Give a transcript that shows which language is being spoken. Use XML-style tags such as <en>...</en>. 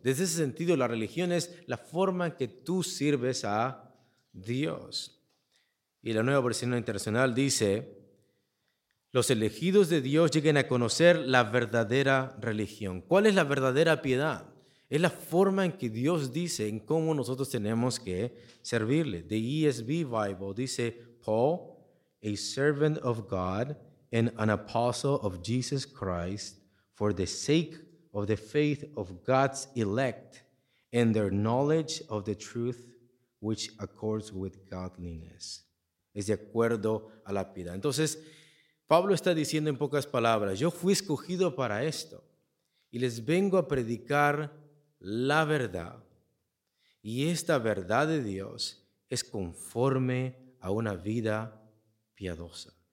<es>Desde ese sentido, la religión es la forma en que tú sirves a Dios. Y la Nueva Versión Internacional dice, los elegidos de Dios lleguen a conocer la verdadera religión. ¿Cuál es la verdadera piedad? Es la forma en que Dios dice en cómo nosotros tenemos que servirle.</es> <en>The ESV Bible</en> <es>dice,</es> <en>Paul, a servant of God and an apostle of Jesus Christ for the sake of the faith of God's elect and their knowledge of the truth which accords with godliness.</en> <es>Es de acuerdo a la piedad. Entonces, Pablo está diciendo en pocas palabras, yo fui escogido para esto y les vengo a predicar la verdad. Y esta verdad de Dios es conforme a una vida piadosa.</es>